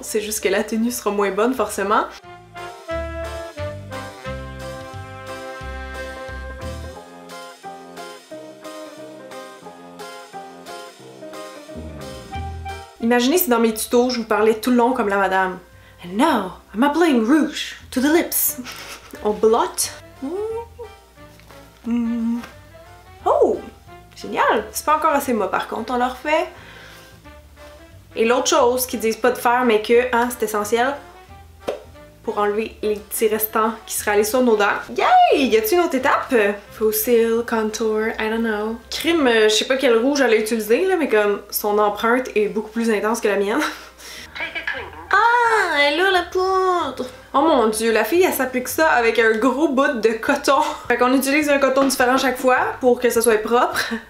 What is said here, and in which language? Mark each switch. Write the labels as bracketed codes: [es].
[fr] C'est juste que la tenue sera moins bonne forcément. Imaginez si dans mes tutos, je vous parlais tout le long comme la madame. [en] And now, I'm applying rouge to the lips. [fr] On blotte. Oh, génial. C'est pas encore assez mat par contre, on le refait. Et l'autre chose qu'ils disent pas de faire, mais que, hein, c'est essentiel, pour enlever les petits restants qui seraient allés sur nos dents. Yay! Y a-t-il une autre étape? [en] Fossil, contour, I don't know. [fr] Crime, je sais pas quel rouge elle a utilisé, là, mais comme son empreinte est beaucoup plus intense que la mienne. Ah! Elle a la poudre! Oh mon dieu, la fille, elle s'applique ça avec un gros bout de coton. Fait qu'on utilise un coton différent chaque fois pour que ça soit propre.